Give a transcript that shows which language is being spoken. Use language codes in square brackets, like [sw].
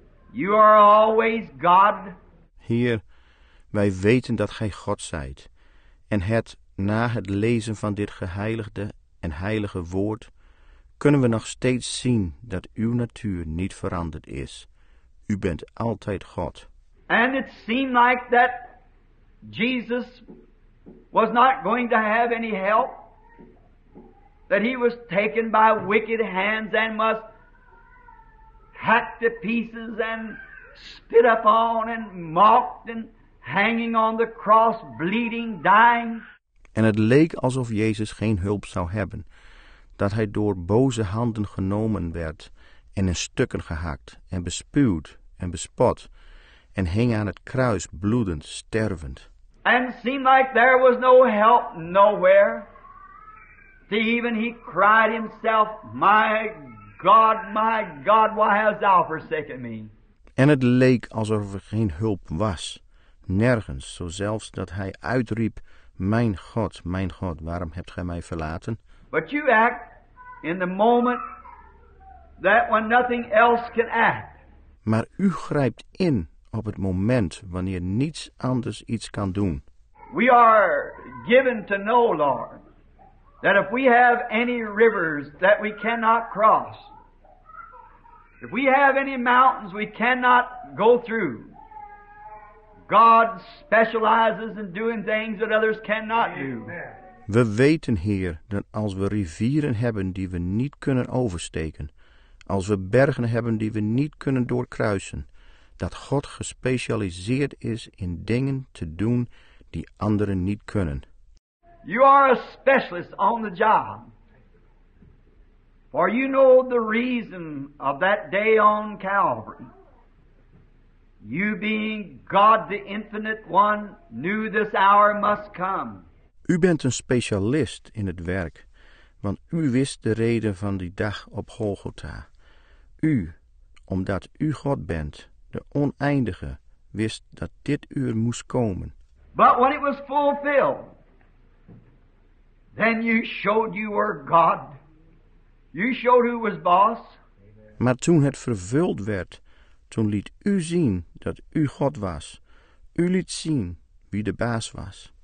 [en] You are always God. [nl] Heer, wij weten dat gij God zijt, en het na het lezen van dit geheiligde en heilige woord kunnen we nog steeds zien dat uw natuur niet veranderd is. U bent altijd God. [en] And it seemed like that Jesus was not going to have any help, that he was taken by wicked hands and must hacked to pieces and spit upon and mocked and hanging on the cross, bleeding, dying. [nl] En het leek alsof Jezus geen hulp zou hebben, dat hij door boze handen genomen werd en in stukken gehakt en bespuwd en bespot en hing aan het kruis bloedend, stervend. [en] And seemed like there was no help nowhere. See, even he cried himself, my God, why hast thou forsaken me? [nl] En het leek alsof er geen hulp was. Nergens, zo zelfs dat hij uitriep, mijn God, waarom hebt gij mij verlaten? [en] But you act in the moment that when nothing else can act. [nl] Maar u grijpt in op het moment wanneer niets anders iets kan doen. [en] We are given to know, Lord, that if we have any rivers that we cannot cross, if we have any mountains we cannot go through, God specializes in doing things that others cannot do. [nl] We weten, Heer, dat als we rivieren hebben die we niet kunnen oversteken, als we bergen hebben die we niet kunnen doorkruisen, dat God gespecialiseerd is in dingen te doen die anderen niet kunnen. [en] You are a specialist on the job. For you know the reason of that day on Calvary. You being God the infinite one knew this hour must come. [nl] U bent een specialist in het werk, want u wist de reden van die dag op Golgotha. U, omdat u God bent, de oneindige, wist dat dit uur moest komen. [en] But when it was fulfilled, then you showed you were God. You showed who was boss. [nl] Maar toen het vervuld werd, toen liet u zien dat u God was. U liet zien wie de baas was.